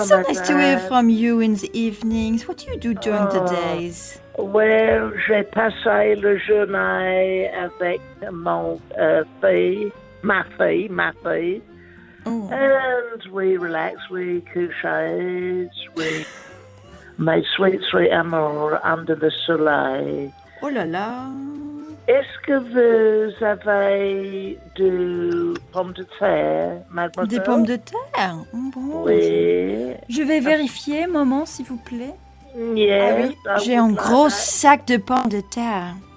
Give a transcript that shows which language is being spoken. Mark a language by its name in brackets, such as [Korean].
[English] so nice to hear from you in the evenings. What do you do during the days? [French] Well, j'ai passé le journée avec ma fille. Oh. [English] And we relaxed, we [French] couchés, [English] we made sweet [French] amour [English] under the [French] soleil. Oh là là. Est-ce que vous avez du pommes de terre, mademoiselle? Des pommes de terre? Bon. Oui. Je vais vérifier, maman, s'il vous plaît. [English] Yes, [French] ah oui, j'ai un gros sac de pommes de terre.